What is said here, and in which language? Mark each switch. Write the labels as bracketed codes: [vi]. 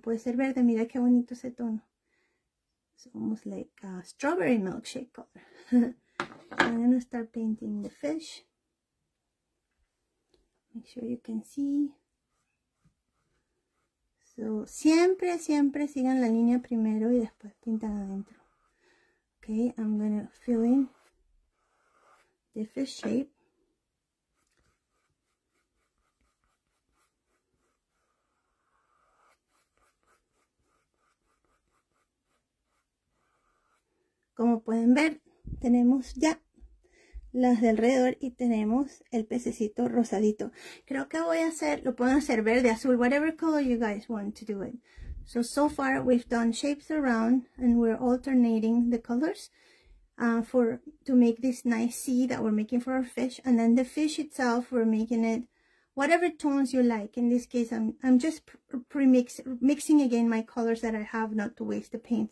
[es] Puede ser verde, mira qué bonito ese tono. Somos [en] like a strawberry milkshake color. I'm gonna start painting the fish. Make sure you can see. [es] So, siempre, siempre sigan la línea primero y después pintan adentro. [en] Okay, I'm gonna fill in the fish shape. [es] Como pueden ver, tenemos ya las de alrededor y tenemos el pececito rosadito. Creo que voy a hacer, lo pueden hacer verde, azul, [en] whatever color you guys want to do it. So far we've done shapes around and we're alternating the colors to make this nice sea that we're making for our fish. And then the fish itself, we're making it whatever tones you like. In this case, I'm just mixing again my colors that I have, not to waste the paint.